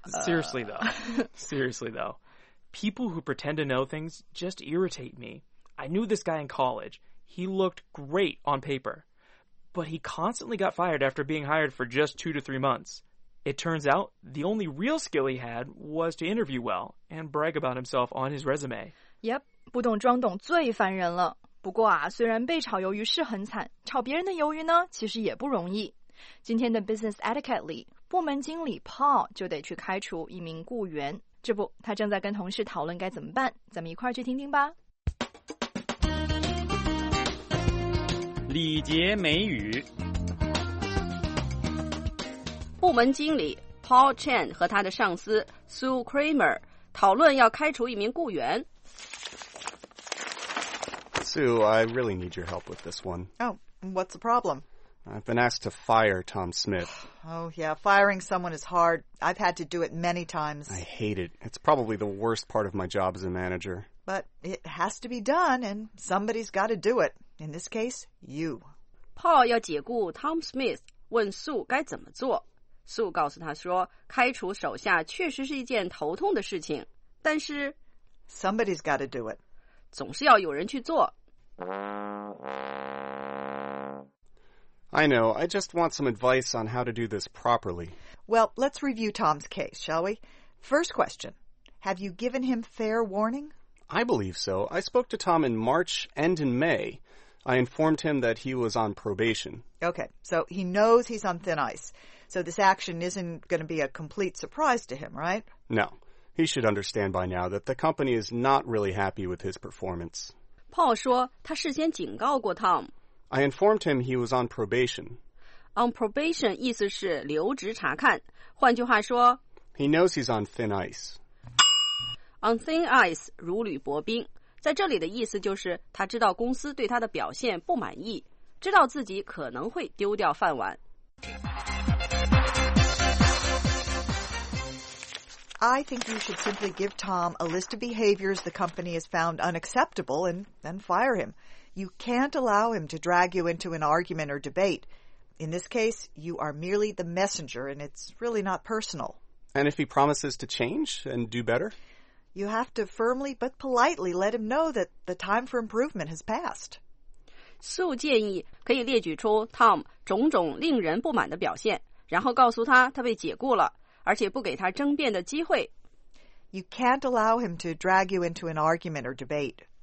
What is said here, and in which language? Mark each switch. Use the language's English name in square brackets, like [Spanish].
[English] Seriously though, people who pretend to know things just irritate me. I knew this guy in college. He looked great on paper, but he constantly got fired after being hired for just 2 to 3 months. It turns out the only real skill he had was to interview well and brag about himself on his resume. [Chinese] Yep, 不懂装懂最烦人了。不过啊，虽然被炒鱿鱼是很惨，炒别人的鱿鱼呢，其实也不容易。今天的 Business Etiquette 里，部门经理 Paul 就得去开除一名雇员。这不，他正在跟同事讨论该怎么办，咱们一块儿去听听吧。礼节美语。部门经理 Paul Chen 和他的上司 Sue Kramer 讨论要开除一名雇员。 [English] Sue, I really need your help with this one. Oh, what's the problem? I've been asked to fire Tom Smith. Oh, yeah. Firing someone is hard. I've had to do it many times. I hate it. It's probably the worst part of my job as a manager. But it has to be done, and somebody's got to do it. In this case, you. [Chinese] Paul 要解雇 Tom Smith, 问 Sue 该怎么做。 Sue 告诉他说，开除手下确实是一件头痛的事情，但是 [English] Somebody's got to do it. [Chinese] 总是要有人去做。 [English] I know, I just want some advice on how to do this properly. Well, let's review Tom's case, shall we? First question, have you given him fair warning? I believe so. I spoke to Tom in March and in May. I informed him that he was on probation. Okay, so he knows he's on thin ice. So this action isn't going to be a complete surprise to him, right? No, he should understand by now that the company is not really happy with his performance. [Chinese] Paul 说他事先警告过 Tom。 [English] I informed him he was on probation. [Chinese] On probation 意思是留职察看，换句话说 [English] He knows he's on thin ice. On thin ice [Chinese] 如履薄冰，在这里的意思就是他知道公司对他的表现不满意，知道自己可能会丢掉饭碗。 [English] I think you should simply give Tom a list of behaviors the company has found unacceptable and then fire him. You can't allow him to drag you into an argument or debate. In this case, you are merely the messenger, and it's really not personal. And if he promises to change and do better? You have to firmly but politely let him know that the time for improvement has passed. [Chinese] Sue 建议可以列举出 Tom 种种令人不满的表现，然后告诉他他被解雇了，而且不给他争辩的机会。 [English] You can't allow him to drag you into an argument or debate.